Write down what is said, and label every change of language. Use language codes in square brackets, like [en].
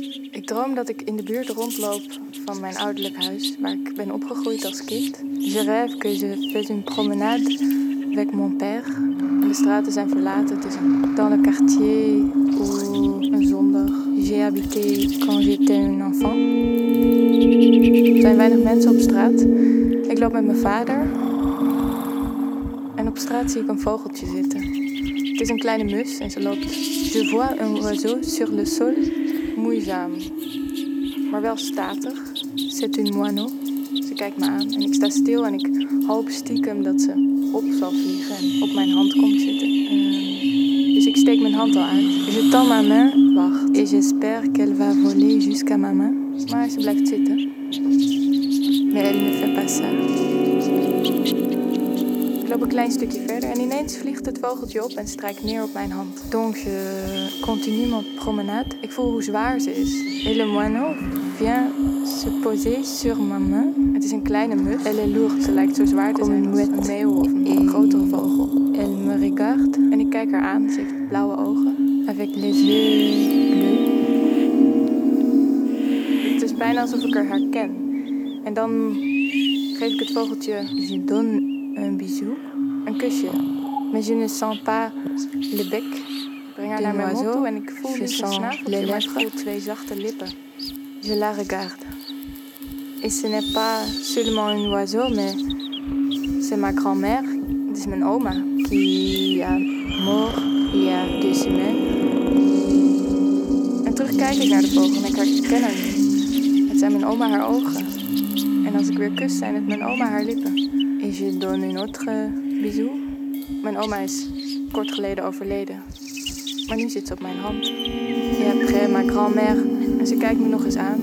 [nl] Ik droom dat ik in de buurt rondloop van mijn ouderlijk huis waar ik ben opgegroeid als kind. [fr] Je rêve que je fais une promenade avec mon père. [nl] En de straten zijn verlaten, dus [fr] dans le quartier où [nl] un zondag. [fr] J'ai habité quand j'étais un enfant. [nl] Er zijn weinig mensen op straat. Ik loop met mijn vader. En op straat zie ik een vogeltje zitten. Het is een kleine mus en ze loopt. [fr] Je vois un oiseau sur le sol, [nl] moeizaam. Maar wel statig. [fr] C'est un moineau. [nl] Ze kijkt me aan en ik sta stil en ik hoop stiekem dat ze op zal vliegen en op mijn hand komt zitten. Dus ik steek steek mijn hand al uit. [fr] Je tend ma main. [nl] Wacht. [fr] Et j'espère qu'elle va voler jusqu'à ma main. [nl] Maar ze blijft zitten. [fr] Mais elle ne fait pas ça. [nl] Ik loop een klein stukje verder en ineens vliegt het vogeltje op en strijkt neer op mijn hand. [fr] Donc je continue mon promenade. [nl] Ik voel hoe zwaar ze is. [fr] Et le moineau vient se poser sur ma main. [nl] Het is een kleine mus. [fr] Elle est lourde. [nl] Ze lijkt zo zwaar te zijn als een meeuw of een grotere vogel. [fr] Elle me regarde. [nl] En ik kijk haar aan. Ze heeft blauwe ogen. [fr] Avec les yeux bleus. [nl] Het is bijna alsof ik haar ken. En dan geef ik het vogeltje. [fr] Je donne un bisou. [nl] Een kusje. [fr] Mais je ne sens pas le bec. [nl] Ik breng haar naar mijn mond toe en ik voel je snavel. Ik voel twee zachte lippen. [fr] Je la regarde. Et ce n'est pas seulement un oiseau, mais c'est ma grand-mère. [nl] Dit is mijn oma. [fr] Qui a mort il y a deux semaines. [nl] En terug kijk ik naar de vogel en ik herken hem. Het zijn mijn oma haar ogen. En als ik weer kus, zijn het mijn oma haar lippen. [fr] Et je donne un autre bisou. [nl] Mijn oma is kort geleden overleden. Maar nu zit ze op mijn hand. [fr] Et après ma grand-mère. [nl] En ze kijkt me nog eens aan.